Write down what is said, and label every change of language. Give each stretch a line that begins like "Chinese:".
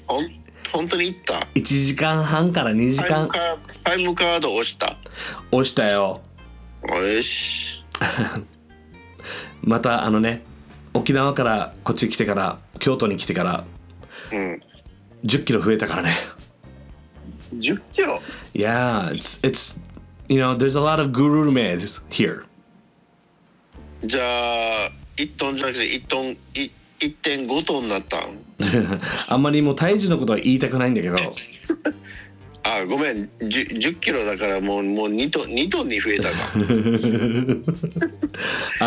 Japanese: うん、本当に行った。 1時間半から2時間タイムカード押した。押したよ。よしまたあのね、沖縄からこっち来てから、京都に来てから、うん、 10キロ増えたからね。 10キロ。
English: Yeah, it'sYou know, there's a lot of gurumes here.
Japanese: じゃあ、1トンじゃなくて1トン、1.5 トンになったん？あんまりもう体重のことは言いたくないんだけど。あ、ごめん、10キロだからもう2トン、2トンに増えたか。